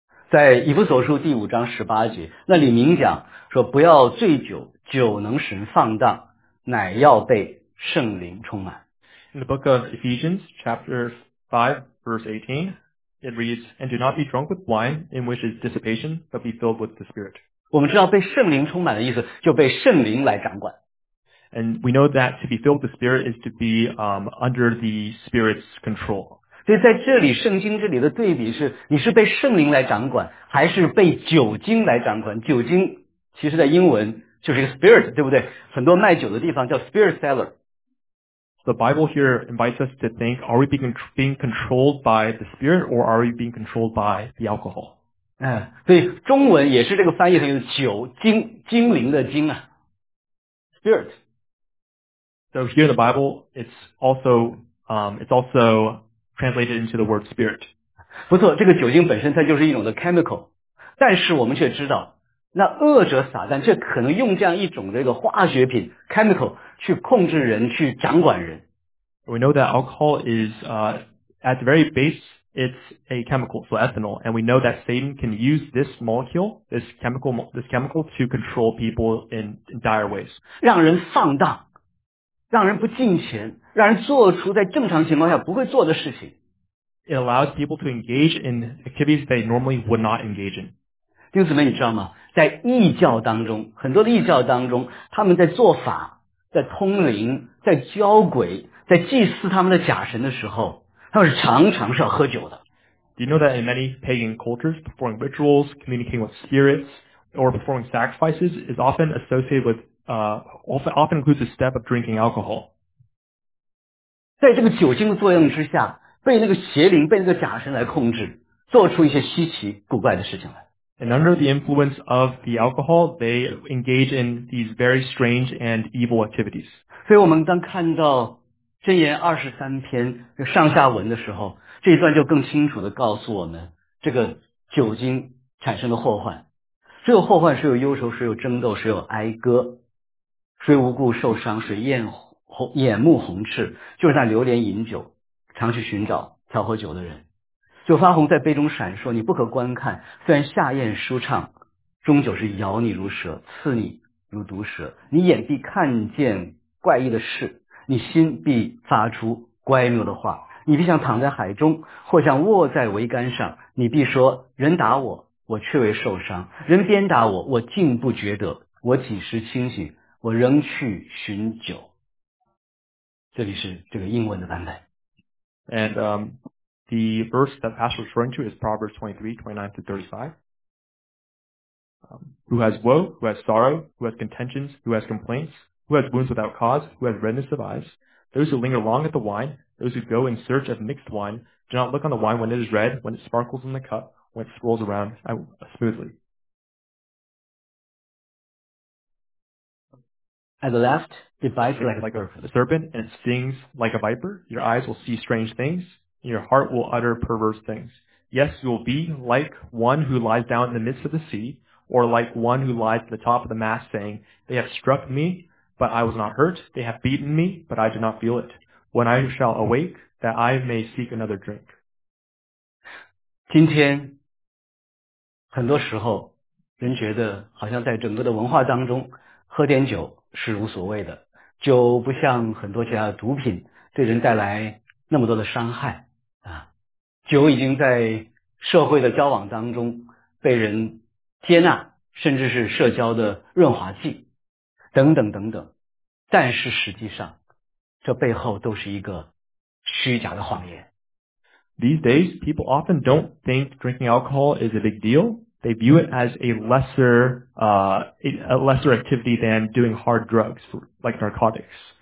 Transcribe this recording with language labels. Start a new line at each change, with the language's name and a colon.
Chinese: 在以弗所书第五章十八节，那里明讲说不要醉酒，酒能使人放荡，乃要被圣灵充满。
English: In the book of Ephesians, chapter 5, verse 18, it reads, And do not be drunk with wine, in which is dissipation, but be filled with the Spirit.
Chinese: 我们知道被圣灵充满的意思，就被圣灵来掌管。
English: And we know that to be filled with the Spirit is to be under the Spirit's control.
Chinese: 所以在这里，圣经这里的对比是，你是被圣灵来掌管，还是被酒精来掌管？酒精其实在英文就是一个 spirit, 对不对？很多卖酒的地方叫 spirit seller.
English: The Bible here invites us to think, are we being controlled by the spirit or are we being controlled by the alcohol?
Chinese: 对，中文也是这个翻译成酒精，精灵的精啊。
English: Spirit. So here in the Bible, it's also translated into the word spirit.
Chinese: 不错，这个酒精本身它就是一种的 chemical, 但是我们却知道那恶者撒旦却可能用这样一种这个化学品 chemical 去控制人，去掌管人。
English: We know that alcohol is at the very base, it's a chemical, so ethanol, and we know that Satan can use this molecule, this chemical to control people in dire ways.
Chinese: 让人放荡，让人不敬虔，让人做出在正常情况下不会做的事情。
English: It allows people to engage in activities they normally would not engage in.
Chinese: 弟兄姊妹，你知道吗？在异教当中，很多的异教当中，他们在做法、在通灵、在交鬼、在祭祀他们的假神的时候，他们是常常是要喝酒的。
English: Do you know that in many pagan cultures, performing rituals, communicating with spirits, or performing sacrifices is often associated with, often includes a step of drinking alcohol?
Chinese: 在这个酒精的作用之下，被那个邪灵、被那个假神来控制，做出一些稀奇古怪的事情来。
English: And under the influence of the alcohol, they engage in these very strange and evil activities.
Chinese: 所以我们当看到箴言23篇上下文的时候，这一段就更清楚地告诉我们这个酒精产生的祸患。这个祸患是有忧愁，是有争斗，是有哀歌，谁无故受伤，谁眼目红赤，就是那流连饮酒，常去寻找调和酒的人。酒发红在杯中闪烁，你不可观看，虽然下咽舒畅，终究是咬你如蛇，刺你如毒蛇。你眼必看见怪异的事，你心必发出乖谬的话。你必像躺在海中，或像卧在桅杆上。你必说，人打我，我却未受伤；人鞭打我，我竟不觉得。我几时清醒，我仍去寻酒。这里是这个英文的版本。
English: And, The verse that Pastor is referring to is Proverbs 23:29-35. Who has woe, who has sorrow, who has contentions, who has complaints, who has wounds without cause, who has redness of eyes, those who linger long at the wine, those who go in search of mixed wine, do not look on the wine when it is red, when it sparkles in the cup, when it swirls around smoothly. at the left, divides like a serpent, and it stings like a viper. Your eyes will see strange things, and your heart will utter perverse things. Yes, you will be like one who lies down in the midst of the sea, or like one who lies at the top of the mast, saying, they have struck me, but I was not hurt. They have beaten me, but I did not feel it. When I shall awake, that I may seek another drink.
Chinese: 今天很多时候人觉得好像在整个的文化当中喝点酒是无所谓的，酒不像很多其他的毒品对人带来那么多的伤害啊。酒已经在社会的交往当中被人接纳，甚至是社交的润滑剂等等等等，但是实际上这背后都是一个虚假的谎言。
English: These days, people often don't think drinking alcohol is a big deal. They view it as a lesser activity than doing hard drugs like narcotics.